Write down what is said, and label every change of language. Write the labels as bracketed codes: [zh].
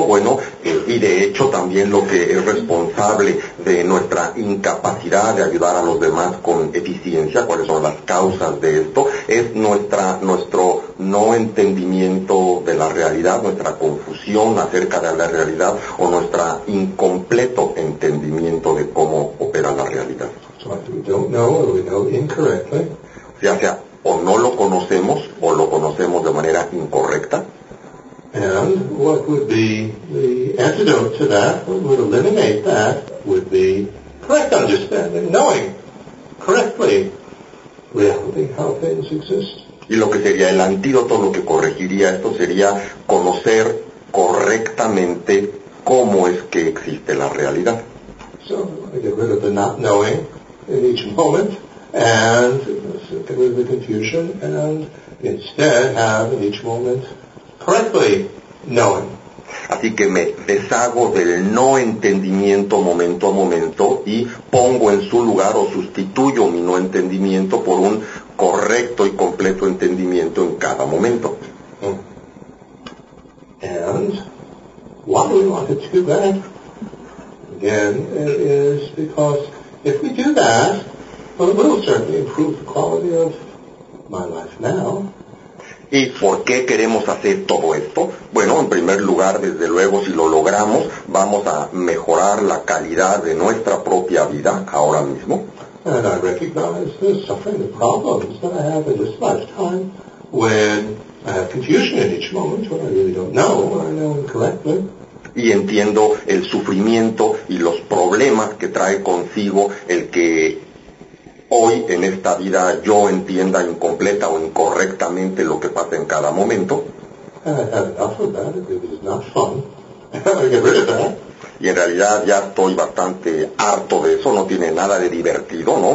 [es] Bueno, y de hecho también lo que es responsable de nuestra incapacidad de ayudar a los demás con eficiencia, ¿cuáles son las causas de esto? Es nuestro no entendimiento de la realidad, nuestra confusión acerca de la realidad o nuestro incompleto entendimiento de cómo opera la realidad. [en] So we don't know or we know incorrectly. [es] O sea, o no lo conocemos o lo conocemos de manera incorrecta. [en] And what would be the antidote to that, what would eliminate that, would be correct understanding, knowing correctly reality, how things exist. [es] Y lo que sería el antídoto, lo que corregiría esto, sería conocer correctamente cómo es que existe la realidad. [en] So, I get rid of the not knowing in each moment, and get rid of the confusion, and instead have in each moment correctly knowing. [es] Así que me deshago del no entendimiento momento a momento y pongo en su lugar o sustituyo mi no entendimiento por un correcto y completo entendimiento en cada momento. [en] And why do we want it to do that? Again, it is because if we do that, well, it will certainly improve the quality of my life now. [es] ¿Y por qué queremos hacer todo esto? Bueno, en primer lugar, desde luego, si lo logramos, vamos a mejorar la calidad de nuestra propia vida ahora mismo. [en] And I recognize the suffering, the problems that I have in this lifetime when I have confusion in each moment, when I really don't know what I know incorrectly. [es] Y entiendo el sufrimiento y los problemas que trae consigo el que hoy en esta vida yo entienda incompleta o incorrectamente lo que pasa en cada momento. Y en realidad ya estoy bastante harto de eso, no tiene nada de divertido, ¿no?